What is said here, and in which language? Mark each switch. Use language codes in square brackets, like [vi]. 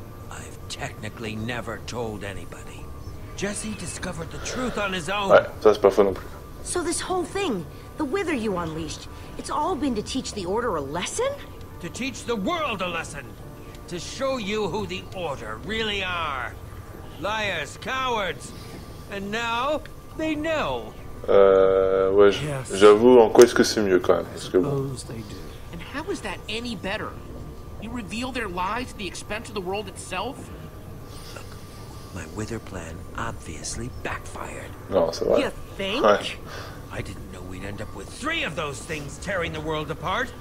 [en] I've technically never told anybody. Jesse discovered the truth on his own. [fr] Ouais, ça c'est pas faux non plus. [en] So this whole thing, the wither you unleashed, it's all been to teach the Order a lesson? To teach the world a lesson. To show you who the Order really are. Liars, cowards. And now, they know. [fr] Ouais, j'avoue, en quoi est-ce que c'est mieux quand même? Parce que bon. [en] And how is that any better? You reveal their lies at the expense of the world itself? My wither plan obviously backfired. [fr] Non, c'est vrai. [en] You think? [fr] Ouais. [en] I didn't know we'd end up with three of those things tearing the world apart.